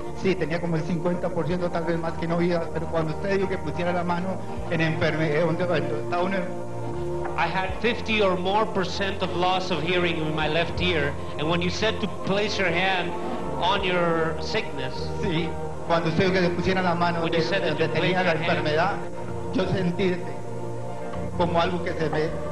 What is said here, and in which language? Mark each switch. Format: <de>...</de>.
<es>Sí, tenía como el 50% tal vez más que no oía, pero cuando usted dijo que pusiera la mano en enfermedad, ¿dónde va? Está uno.</es> <en>I had 50 or more percent of loss of hearing in my left ear, and when you said to place your hand on your sickness,</en> <es>sí, cuando usted dijo que le pusiera la mano que tenía la enfermedad, yo sentí como algo que se me</es>